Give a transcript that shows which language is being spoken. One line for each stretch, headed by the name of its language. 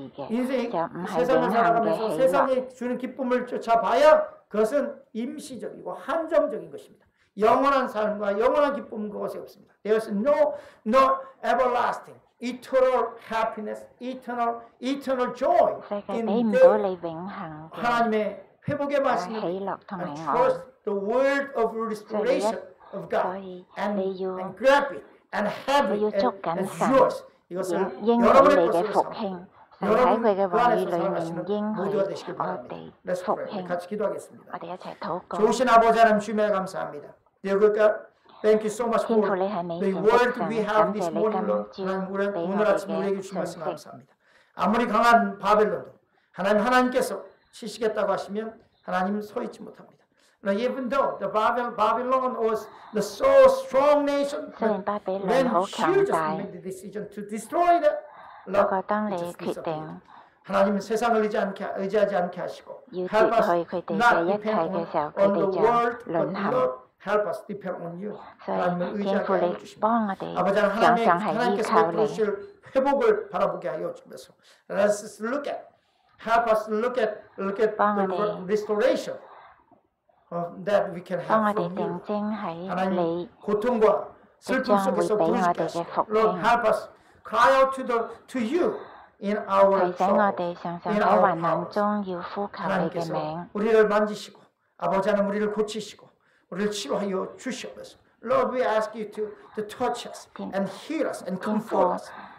Korean: 인생 세상을 살아가면서 세상이 주는 기쁨을 쫓아봐야 그것은 임시적이고 한정적인 것입니다. 영원한 삶과 영원한 기쁨은 그것이 없습니다.
English: There is no everlasting, eternal happiness, eternal joy in the
Korean: 하나님의 회복의 말씀을
English: and trust the word of restoration of God and grab it and have it as yours.
Korean: 이것은 여러분의 것입니다. 여러분 그 안에서 살아가시는 모두가 되시길 바랍니다.
English: Let's pray.
Korean: 같이 기도하겠습니다. 좋으신 아버지 하나님 주님에 감사합니다.
English: Dear God, thank you so much for the word we have this morning, Lord.
Korean: 오늘 아침 우리에게 주신 말씀 감사합니다. 아무리 강한 바벨론도 하나님께서 치시겠다고 하시면 하나님 서 있지 못합니다.
English: Now, even though the Babylon was the so strong nation, when she just made the decision to destroy that, Lord, it just disappeared.
Korean: 하나님 세상을 의지하지 않게 하시고,
English: help us not depend on the world, but Lord, help us depend on you.
Korean: 하나님을 의지하게 하여 주십니다. 아버지 하나님께서 베풀으실 회복을 바라보게 하여 주십니다.
English: Let's look at, help us look at the restoration that we can have from you.
Korean: 하나님 고통과 슬픔 속에서 부르짖게 하시고,
English: Lord, help us cry out to you in our troubles, in our powers.
Korean: 하나님께서 우리를 만지시고, 아버지 하나님 우리를 고치시고, 우리를 치료하여 주시옵소서.
English: Lord, we ask you to touch us and heal us and comfort us.